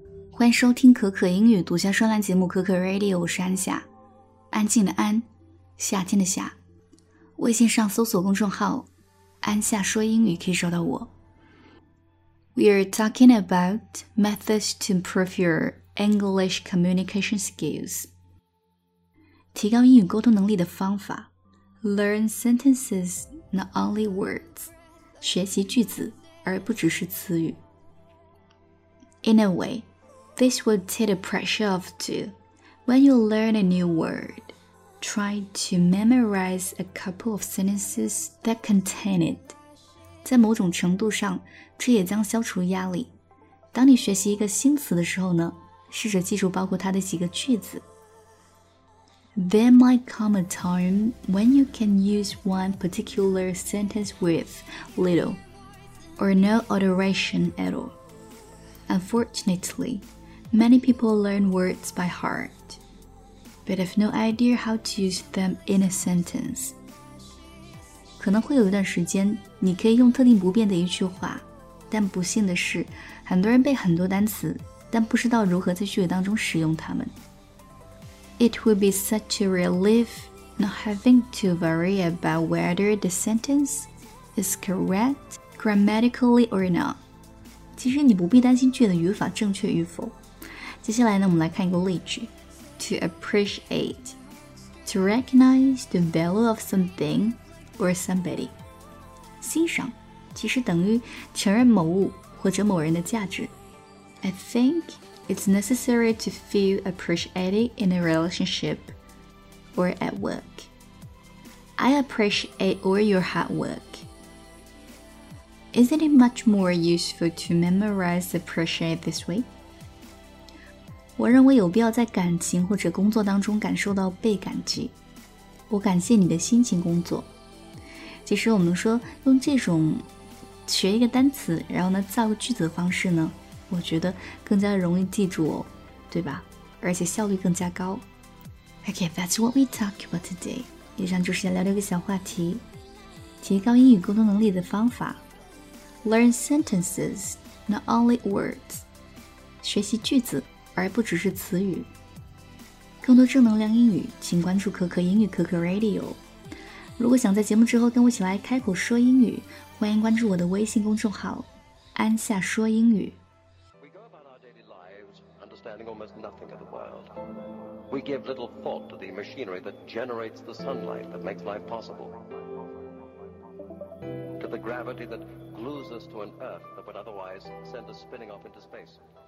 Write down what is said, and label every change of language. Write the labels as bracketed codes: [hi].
[zh] 欢迎收听可可英语独家专栏节目可可 Radio， 我是安夏，安静的安，夏天的夏。微信上搜索公众号安夏说英语可以找到我。 [en] We are talking about methods to improve your English communication skills. [zh] 提高英语沟通能力的方法。 [en] Learn sentences, not only words. [zh] 学习句子而不只是词语。 [en] In a way,This will take the pressure off too. When you learn a new word, try to memorize a couple of sentences that contain it. [zh] 在某种程度上，这也将消除压力。当你学习一个新词的时候呢，试着记住包括它的几个句子。 [en] There might come a time when you can use one particular sentence with little or no alteration at all. Unfortunately, Many people learn words by heart, but have no idea how to use them in a sentence. [zh] 可能会有一段时间，你可以用特定不变的一句话，但不幸的是，很多人背很多单词，但不知道如何在句子当中使用它们。 [en] It would be such a relief not having to worry about whether the sentence is correct grammatically or not. [zh] 其实你不必担心句子语法正确与否。接下来呢，我们来看一个例句。 [en] To appreciate, to recognize the value of something or somebody. [zh] 欣赏其实等于承认某物或者某人的价值。 [en] I think it's necessary to feel appreciated in a relationship or at work. I appreciate all your hard work. Isn't it much more useful to memorize appreciate this way? [zh] 我认为有必要在感情或者工作当中感受到被感激。我感谢你的辛勤工作。其实我们说用这种学一个单词，然后呢造个句子的方式呢，我觉得更加容易记住哦，对吧？而且效率更加高。 [en] Okay, that's what we talk about today. [zh] 以上就是聊聊一个小话题，提高英语沟通能力的方法。 [en] Learn sentences, not only words. [zh] 学习句子。而不只是词语。更多正能量英语，请关注可可英语可可 Radio。如果想在节目之后跟我一起来开口说英语，欢迎关注我的微信公众号“安夏说英语”。 [en] We go about our daily lives, understanding almost nothing of the world. We give little thought to the machinery that generates the sunlight that makes life possible, to the gravity that glues us to an earth that would otherwise send us spinning off into space.